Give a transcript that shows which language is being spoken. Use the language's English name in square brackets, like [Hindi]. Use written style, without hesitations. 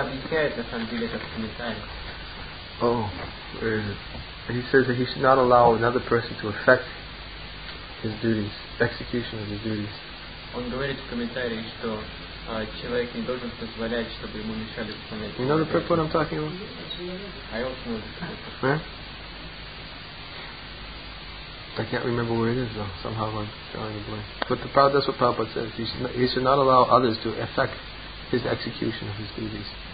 [Russian] объясняет, на самом деле, как комментарий. [English] Oh, where is it? He says that he should not allow another person to affect his duties, execution of his duties. [Russian] Он говорит в комментарии, что человек не должен позволять, чтобы ему мешали исполнять. [English] You know the purport I'm talking about? I also know the purport. Huh? I can't remember where it is though. Somehow I'm drawing a blank. But that's what Prabhupada says. He should not allow others to affect his execution of his duties.